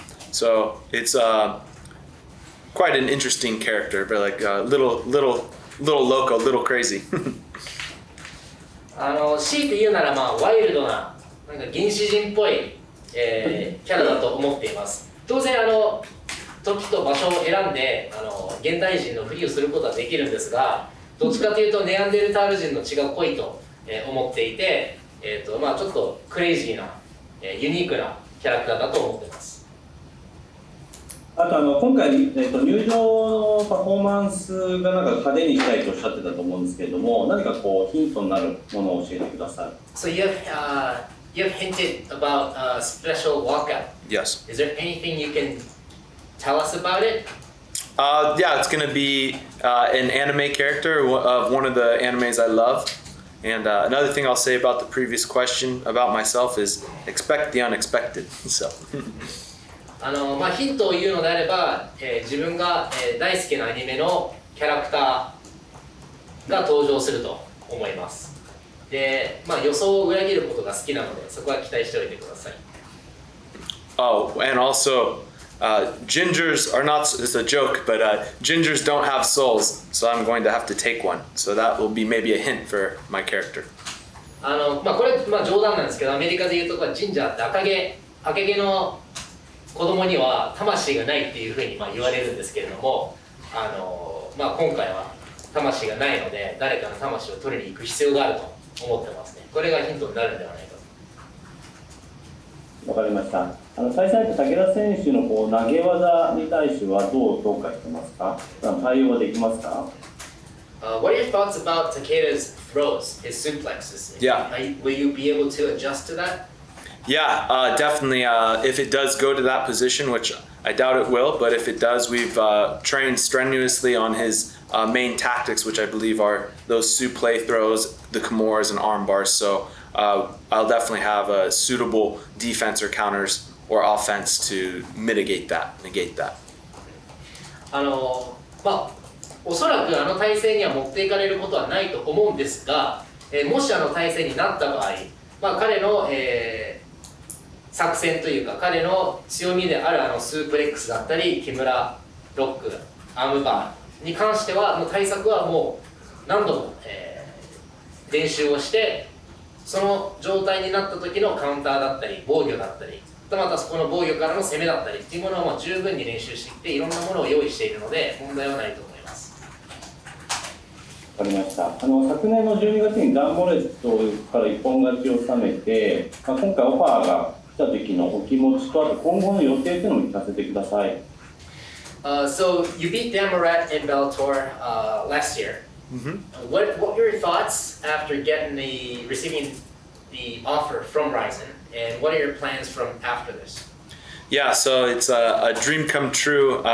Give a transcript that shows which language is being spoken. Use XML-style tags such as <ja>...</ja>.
<en>So it's quite an interesting character, but like a little loco, little crazy.</en> <ja>強いて言うならまあワイルドな、なんか原始人っぽい、キャラだと思っています。当然時と場所を選んで現代人のふりをすることはできるんですが、どっちかというとネアンデルタール人の血が濃いと思っていて、まあ、ちょっとクレイジーな、ユニークなキャラクターだと思っています。あと今回、入場のパフォーマンスがなんか派手にしたいとおっしゃってたと思うんですけれども、何かこうヒントになるものを教えてください。</ja> <en>So you have hinted about a special walkout. Yes. Is there anything you canTell us about it. Yeah, it's going to be an anime character of one of the animes I love. And another thing I'll say about the previous question about myself is expect the unexpected. So.</en> <ja>まあ、ヒントを言うのであれば、自分が、大好きなアニメのキャラクターが登場すると思います。で、まあ、予想を裏切ることが好きなので、そこは期待しておいてください。</ja> <en>Oh, and also,gingers are not, it's a joke, but gingers don't have souls, so I'm going to have to take one. So that will be maybe a hint for my character.</en> <ja>まあ、これは、まあ、冗談なんですけど、アメリカで言うと、ジンジャーって赤毛の子供には魂がないっていうふうに、まあ、言われるんですけれども、まあ、今回は魂がないので、誰かの魂を取りに行く必要があると思ってますね。これがヒントになるんではないかと。わかりました。対戦相手、武田選手のこう投げ技に対してはどう評価してますか？対応はできますか？</ja> <en>What are your thoughts about Takeda's throws, his suplexes? Yeah. Will you be able to adjust to that? Yeah, definitely. If it does go to that position, which I doubt it will, but if it does, we've trained strenuously on his main tactics, which I believe are those suplex throws, the kimuras and arm bars. So,I'll definitely have a suitable defense or counters or offense to mitigate that, negate that.</en> <ja>まあ、おそらくあの体勢には持っていかれることはないと思うんですが、もしあの体勢になった場合、まあ、彼の、作戦というか彼の強みであるあのスープレックスだったり木村ロックアームバーに関してはもう対策はもう何度も、練習をしてその状態になった時のカウンターだったり防御だったりまたそこの防御からの攻めだったりっていうものを十分に練習していっていろんなものを用意しているので問題はないと思います。かりました。あの昨年の12月にダンボレットから一本勝ちを収めて、まあ、今回オファーが来た時のお気持ちと、あと今後の予定というのも聞かせてください。</ja> <en>So you beat Damoret in Bellator last year. Mm-hmm. What were your thoughts after getting the receiving the offer from Rizin, and what are your plans from after this? Yeah, so it's a dream come true.</en>